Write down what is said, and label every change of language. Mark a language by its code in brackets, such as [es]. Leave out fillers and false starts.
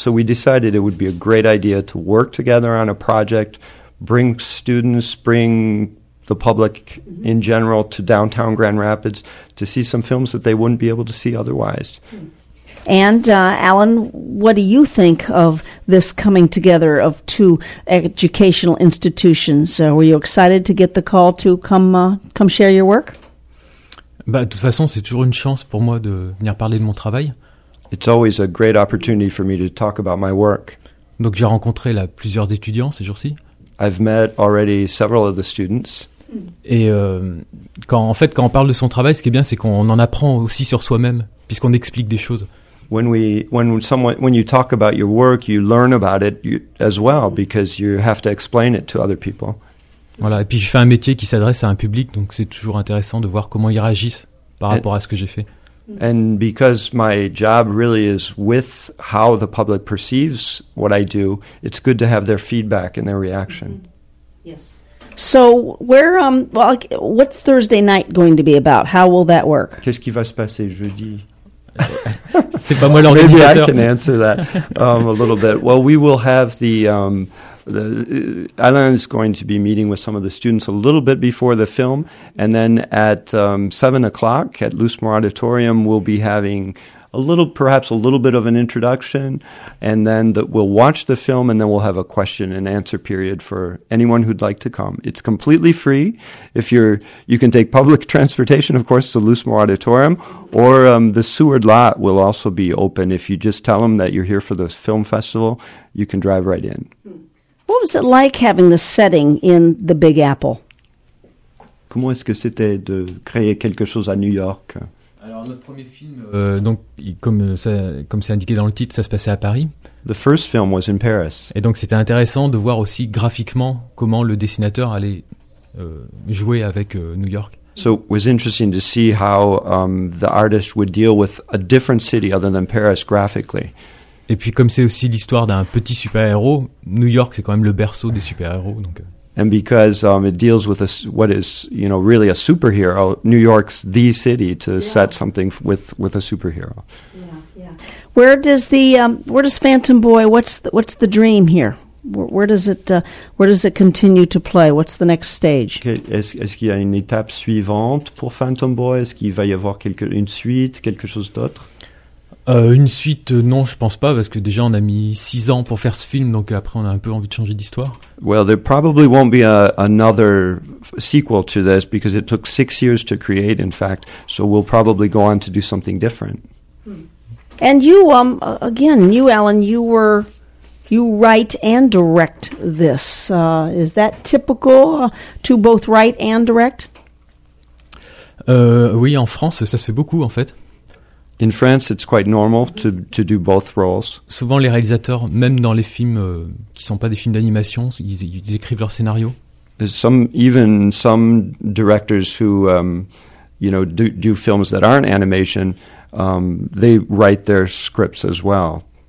[en] So we decided it would be a great idea to work together on a project, bring students, bring the public in general to downtown Grand Rapids to see some films that they wouldn't be able to see otherwise. And, Alan, what do you think of this coming together of two educational institutions? Were you excited to get the call to come share your work? [fr] Bah, de toute façon, c'est toujours une chance pour moi de venir parler de mon travail. [en] It's always a great opportunity for me to talk about my work. [fr] Donc j'ai rencontré là plusieurs étudiants ces jours-ci. [en] I've met already several of the students. [fr] Et quand on parle de son travail, ce qui est bien, c'est qu'on en apprend aussi sur soi-même, puisqu'on explique des choses. [en] When you talk about your work, you learn about it as well, because you have to explain it to other people. [fr] Voilà, et puis je fais un métier qui s'adresse à un public, donc c'est toujours intéressant de voir comment ils réagissent par rapport à ce que j'ai fait. [en] And because my job really is with how the public perceives what I do, it's good to have their feedback and their reaction. Mm-hmm. Yes. So, where, what's Thursday night going to be about? How will that work? [fr] Qu'est-ce qui va se passer jeudi? C'est pas moi l'organisateur. [en] Maybe I can answer that a little bit. Well, we will have the... Alan is going to be meeting with some of the students a little bit before the film, and then at 7 o'clock at Loosemore Auditorium, we'll be having a little bit of an introduction, and then we'll watch the film, and then we'll have a question and answer period for anyone who'd like to come. It's completely free. You can take public transportation, of course, to Loosemore Auditorium, or the Seward lot will also be open. If you just tell them that you're here for the film festival, you can drive right in. What was it like having the setting in the Big Apple? [fr] Comment est-ce que c'était de créer quelque chose à New York? Alors notre premier film, comme c'est indiqué dans le titre, ça se passait à Paris. [en] The first film was in Paris. [fr] Et donc c'était intéressant de voir aussi graphiquement comment le dessinateur allait jouer avec New York. [en] So it was interesting to see how the artist would deal with a different city other than Paris graphically. [fr] Et puis comme c'est aussi l'histoire d'un petit super-héros, New York c'est quand même le berceau des super-héros. Donc. [en] And because it deals with what is, you know, really a superhero, New York's the city to yeah. set something with a superhero. Yeah, yeah. Where does Phantom Boy, what's the dream here? Where does it continue to play? What's the next stage? [fr] Est-ce qu'il y a une étape suivante pour Phantom Boy? Est-ce qu'il va y avoir une suite, quelque chose d'autre? Une suite, non, je pense pas, parce que déjà on a mis 6 ans pour faire ce film, donc après on a un peu envie de changer d'histoire. [en] Well, there probably won't be another sequel to this because it took 6 years to create, in fact. So we'll probably go on to do something different. And you, again, you, Alan, you write and direct this. Is that typical to both write and direct? [fr] Oui, en France, ça se fait beaucoup, en fait. [en] In France, it's quite normal to do both roles. [fr] Souvent, les réalisateurs, même dans les films qui sont pas des films d'animation, ils écrivent leur scénario. [en] Even some directors who do films that aren't animation, they write their scripts as well.